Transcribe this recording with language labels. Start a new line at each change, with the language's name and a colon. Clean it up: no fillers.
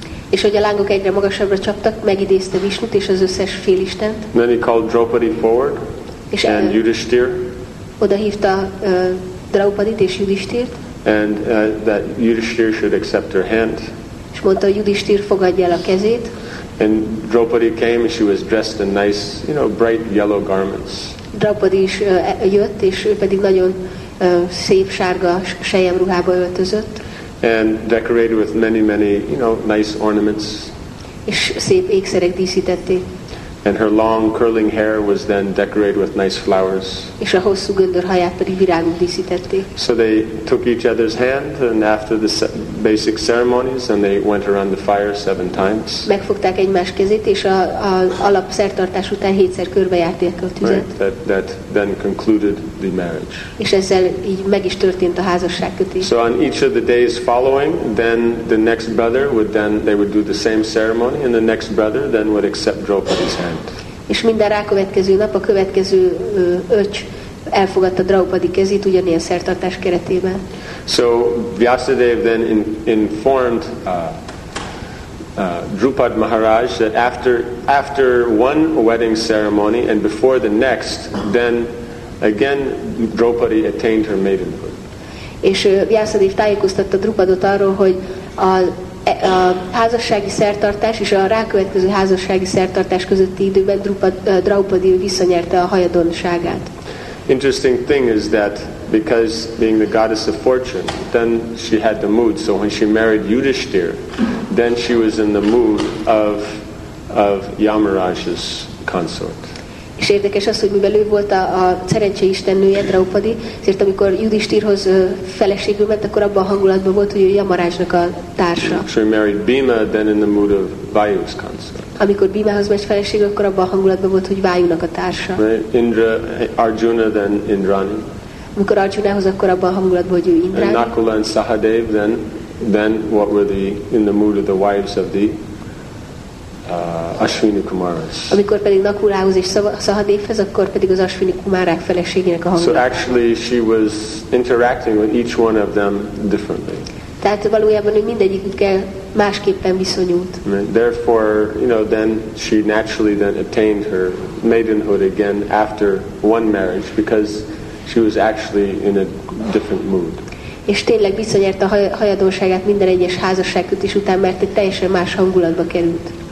Hungarian: És hogy a lángok egyre magasabbra csaptak, megidézte Vishnut és az összes félistent.
English: Then he called Draupadi forward and Yudhishthir.
Hungarian: Oda hívta Draupadit és Yudhishthirt.
English: And that Yudhishthir should accept her hand.
Hungarian: És mondta, hogy Yudhishthir fogadja el a kezét.
English: And Draupadi came and she was dressed in nice, you know, bright yellow garments.
Hungarian: Draupadi is jött, és ő pedig nagyon szép sárga selyem ruhába öltözött.
English: And decorated with many, many, you know, nice ornaments.
Hungarian: És szép ékszerek díszítették.
English: And her long curling hair was then decorated with nice flowers.
Hungarian: És a hosszú göndör haját pedig virágok díszítették.
English: So they took each other's hand and after the basic ceremonies and they went around the fire 7 times.
Hungarian: Megfogták egymás kezét és a alap szertartás után 7-szer körbejárták a tüzet.
English: Right, that then concluded the marriage.
Hungarian: És ezzel így meg is történt a házasságkötés.
English: So on each of the days following, then the next brother would then, they would do the same ceremony and the next brother then would accept Draupadi's hand.
Hungarian: És minden rákövetkező nap a következő öcs elfogadta Draupadi kezét ugyanilyen szertartás keretében.
English: So Vyasadev then informed Drupad Maharaj that after one wedding ceremony and before the next, then again Draupadi attained her maidenhood.
Hungarian: És Vyasadev tájékoztatta Drupadot arról, hogy a házassági szertartás és a rákövetkező házassági szertartás közötti időben Draupadi visszanyerte a hajadonságát.
English: Interesting thing is that because being the goddess of fortune, then she had the mood. So when she married Yudhishthir, then she was in the mood of Yamaraj's consort.
Hungarian: És érdekes az, hogy mivel ő volt a szerencse istennője, Draupadi, ezért amikor Yudhishthirhoz feleségül ment, akkor abban a hangulatban volt, hogy ő Yamarajnak a társa.
English: So he married Bhima, then in the mood of Vayu's consort.
Hungarian: Amikor Bhimahoz megy feleségül, akkor abban a hangulatban volt, hogy Vayunak a társa.
English: Right. Indra, Arjuna, then Indrani.
Hungarian: Amikor Arjunahoz, akkor abban a hangulatban, hogy ő Indrani.
English: And Nakula and Sahadev, then what were the, in the mood of the wives of the Ashwini Kumaras.
Hungarian: Amikor pedig Nakulához és Sahadevhez, akkor pedig az Ashwini Kumarák feleségének a hangulatban.
English: So actually she was interacting with each one of them differently.
Hungarian: Tehát valójában ő mindegyikükkel másképpen viszonyult.
English: Therefore, you know, then she naturally then attained her maidenhood again after one marriage because she was actually in a different mood.
Hungarian: És tényleg visszanyerte a hajadonságát minden egyes házasságkötés után, mert egy teljesen más hangulatba került.